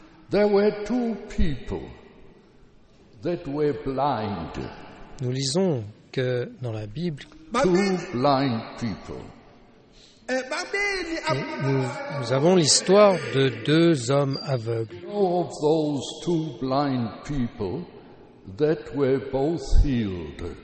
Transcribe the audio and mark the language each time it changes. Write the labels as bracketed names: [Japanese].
[English] There were two people that were blind. [French] Nous lisons que dans la Bible, [English] two blind people. [French] Et nous avons l'histoire de deux hommes aveugles. [English] Of those two blind people that were both healed.